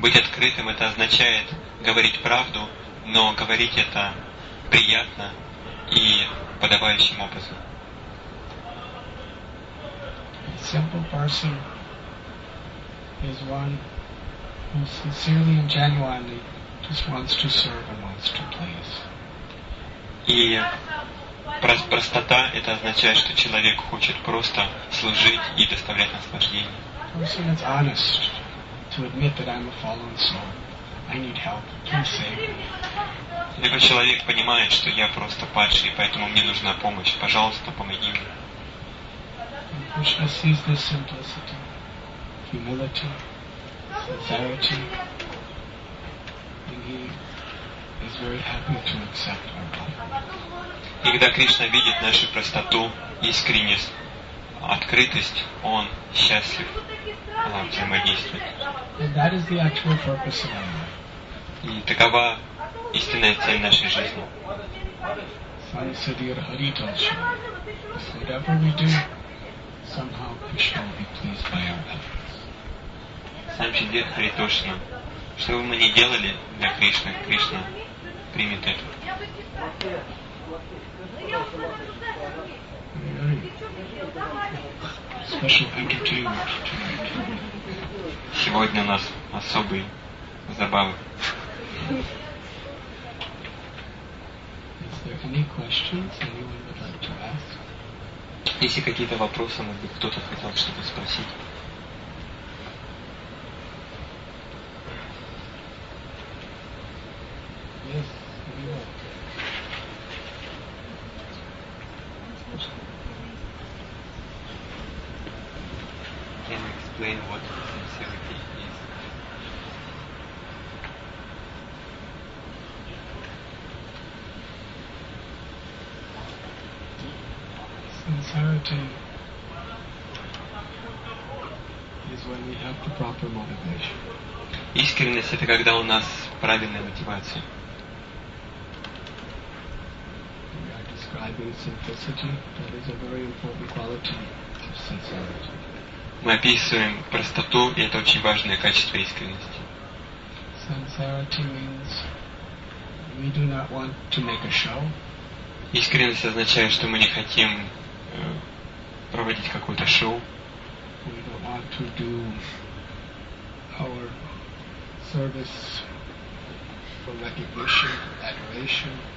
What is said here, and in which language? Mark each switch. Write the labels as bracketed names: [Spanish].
[Russian] Быть открытым это означает говорить правду, но говорить это приятно и подобающим образом. [English] A simple person is one who sincerely and genuinely just wants to serve and wants to please. [Russian] И простота это означает, что человек хочет просто служить и доставлять наслаждение. [English] Person is honest to admit that I'm a fallen soul. I need help. Please save me. [Russian] Либо человек понимает, что я просто падший, поэтому мне нужна помощь. Пожалуйста, помоги мне. [English] And Krishna sees this simplicity, humility, sincerity, and he is very happy to accept our help. [Russian] И когда Кришна видит нашу простоту, искренность, открытость, он счастлив взаимодействовать. [English] And that is the actual purpose of our life. [Russian] И такова истинная цель нашей жизни. [English] Sai Sudhir Hari Dasha. Whatever we do, somehow Krishna will be pleased by our efforts. [Russian] Сам Сидхир Хари Дашна. Что бы мы ни делали для Кришны, Кришна примет это. [English] Special entertainment tonight. [Russian] Сегодня у нас особые забавы. [English] Is there any questions anyone would like to ask? [Russian] Если какие-то вопросы, может быть, кто-то хотел что-то спросить. [English] Yes, we are. Can you explain what sincerity is? Sincerity is when we have the proper motivation. [Russian] Искренность это когда у нас правильная мотивация. [English] We are describing simplicity. That is a very important quality of sincerity. [Russian] Мы описываем простоту, и это очень важное качество искренности. [English] Sincerity means we do not want to make a show. [Russian] Искренность означает, что мы не хотим проводить какое-то шоу. [English] We don't want to do our service for recognition, adoration.